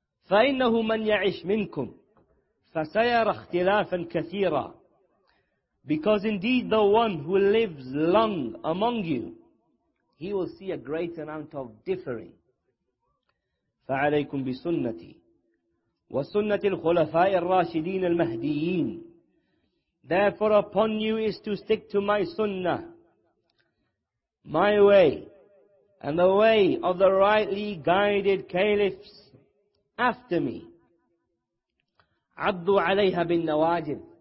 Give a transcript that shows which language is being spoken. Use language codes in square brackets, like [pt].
[ar] فَإِنَّهُ مَنْ يَعِشْ مِنْكُمْ فَسَيَرَ اخْتِلَافًا كَثِيرًا. [en] Because indeed the one who lives long among you, he will see a great amount of differing. [ar] فَعَلَيْكُمْ بِسُنَّتِي وسنة الخلفاء الراشدين المهديين. [en] Therefore upon you is to stick to my sunnah, my way, and the way of the rightly guided caliphs after me. [ar] عَضُّ عَلَيْهَا بِالنَّوَاجِبِ.